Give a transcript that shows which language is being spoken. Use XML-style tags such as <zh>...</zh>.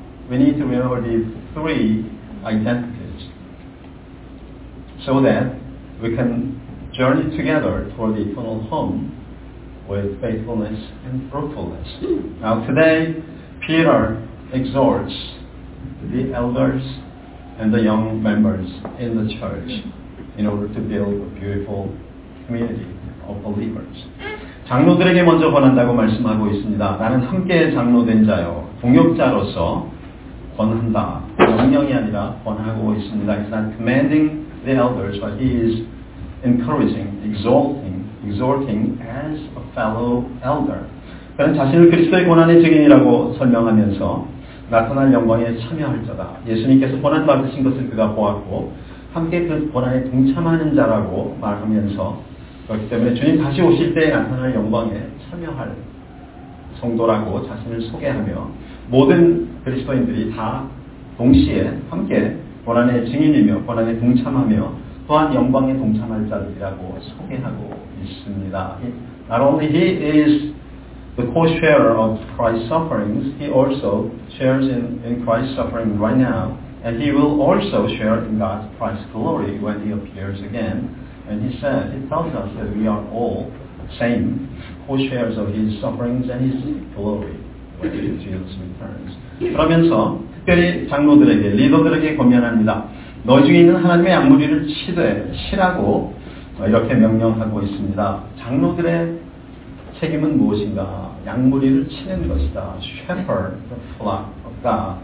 <en>We need to remember these three identities so that we can journey together toward the eternal home with faithfulness and fruitfulness. Now today, Peter exhorts the elders and the young members in the church in order to build a beautiful community of believers.</en> <ko>장로들에게 먼저 권한다고 말씀하고 있습니다. 나는 함께 장로된 자요, 동역자로서 권한다. 명령이 아니라 권하고 있습니다.</ko> <en>He's not commanding the elders, but he is encouraging, exhorting as a fellow elder.</en> <ko>그는 자신을 그리스도의 고난의 증인이라고 설명하면서 나타날 영광에 참여할 자다. 예수님께서 고난 받으신 것을 그가 보았고 함께 그 고난에 동참하는 자라고 말하면서 그렇기 때문에 주님 다시 오실 때 나타날 영광에 참여할 성도라고 자신을 소개하며 모든 그리스도인들이 다 동시에 함께 고난의 증인이며 고난에 동참하며 또한 영광에 동참할 자들이라고 소개하고 있습니다.</ko> <en>Not only he is the co-sharer of Christ's sufferings, he also shares in Christ's suffering right now, and he will also share in God's Christ's glory when he appears again. And he said, he tells us that we are all same co-sharers of his sufferings and his glory when Jesus returns.</en> <ko>그러면서 특별히 장로들에게, 리더들에게 권면합니다. 너희 중에 있는 하나님의 안무리를 치되 치라고 이렇게 명령하고 있습니다. 장로들의 책임은 무엇인가? 양무리를 치는 것이다.</ko> <en>Shepherd the flock of God.</en>